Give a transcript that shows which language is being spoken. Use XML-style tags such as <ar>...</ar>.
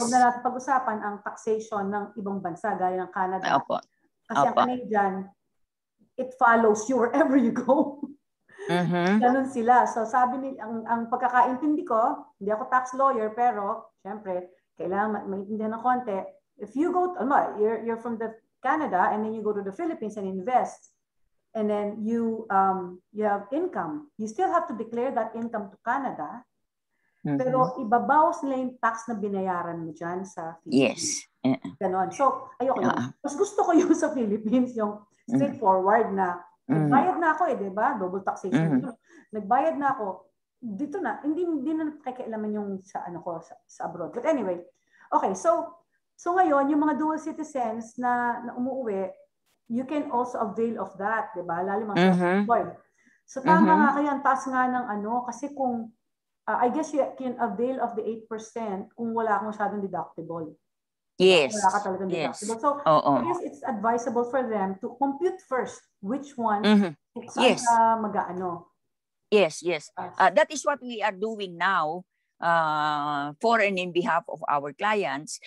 <tl>Huwag na natin pag-usapan ang taxation ng ibang bansa, gaya ng Canada. Opo. Kasi ang</tl> <en>Canadian, it follows you wherever you go.</en> <tl>Ganun sila. So sabi ni ang pagkakaintindi ko, hindi ako tax lawyer pero syempre kailangan maintindihan ng konti.</tl> <en>If you go to, you're from the Canada and then you go to the Philippines and invest and then you have income, you still have to declare that income to Canada.</en> <tl>Pero ibabawas nila yung tax na binayaran mo diyan sa Philippines.</tl> <en>Yes.</en> <tl>Ganun. So ayoko. Mas gusto ko yung sa Philippines, yung straightforward na nagbayad na ako eh, di ba? Double taxation. Nagbayad na ako. Dito na. Hindi na nakikailaman yung sa ano ko sa abroad.</tl> <en>But anyway. Okay, so</en> <tl>ngayon, yung mga</tl> <en>dual citizens</en> <tl>na umuwi,</tl> <en>you can also avail of that,</en> <tl>di ba? Lalo mga self-employed. So tama nga kayo, ang task nga ng ano, kasi kung,</tl> <en>I guess you can avail of the 8%</en> <tl>kung wala akong masyadong deductible.</tl> <en>Yes.</en> <tl>Wala ka talagang deductible.</tl> <en>So, I guess it's advisable for them to compute first which one</en> <tl>mag-aano.</tl> <en>Yes, yes. That is what we are doing now for and in behalf of our clients.</en>